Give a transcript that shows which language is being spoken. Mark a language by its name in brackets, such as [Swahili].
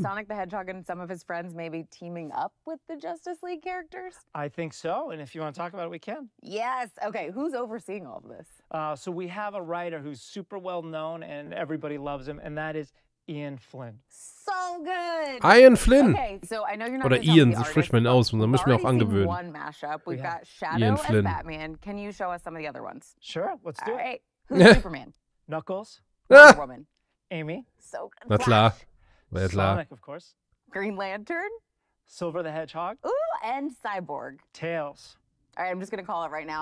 [English] Sonic the Hedgehog and some of his friends maybe teaming up with the Justice League characters? I think so, and if you want to talk about it, we can. Yes! Okay, who's overseeing all of this? So we have a writer who's super well known, and everybody loves him, and that is Ian Flynn. So good. Ian Flynn. Okay, so I know you're not [German] oder Ian, so spricht man aus, und da muss ich mir auch angewöhnen. [English] One mashup. We've got Shadow Ian Flynn. As Batman. Can you show us some of the other ones? Sure, let's do it. All right. Who's Superman? Knuckles. Woman. Amy. So good. [German] Na klar. [English] Sonic, of course. Green Lantern. Silver the Hedgehog. Ooh, and Cyborg. Tails. All right, I'm just gonna call it right now.